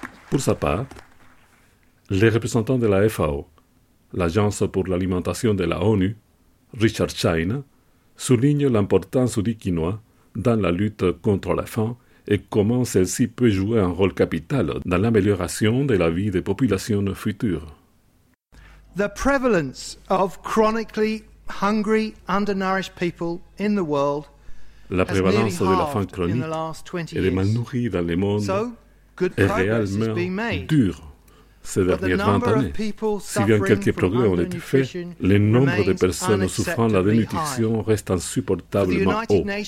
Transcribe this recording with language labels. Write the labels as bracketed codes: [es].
[fr] Pour sa part, les représentants de la FAO, l'Agence pour l'alimentation de la ONU, Richard China, souligne l'importance du quinoa dans la lutte contre la faim et comment celle-ci peut jouer un rôle capital dans l'amélioration de la vie des populations futures. [en] The prevalence of chronically hungry, undernourished people in the world [fr] la prévalence de la faim chronique et des mal nourris dans le monde est réellement dure ces dernières 20 années. Si bien quelques progrès ont été faits, le nombre de personnes souffrant de la dénutrition reste insupportablement haut.